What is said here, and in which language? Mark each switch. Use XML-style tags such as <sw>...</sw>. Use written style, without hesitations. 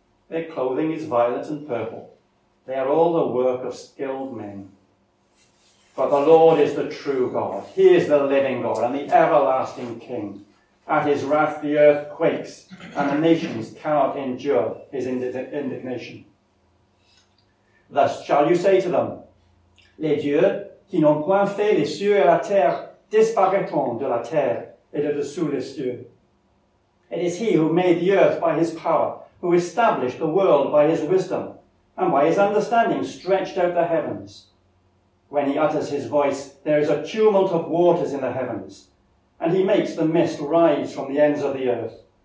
<en>Their clothing is violet and purple. They are all the work of skilled men. But the Lord is the true God. He is the living God and the everlasting King. At his wrath the earth quakes, and the nations cannot endure his indignation. Thus shall you say to them,</en> <fr>les dieux qui n'ont point fait les cieux et la terre disparaîtront de la terre et de dessous les cieux.</fr> <en>It is he who made the earth by his power, who established the world by his wisdom, and by his understanding stretched out the heavens. When he utters his voice, there is a tumult of waters in the heavens, and he makes the mist rise from the ends of the earth.</en>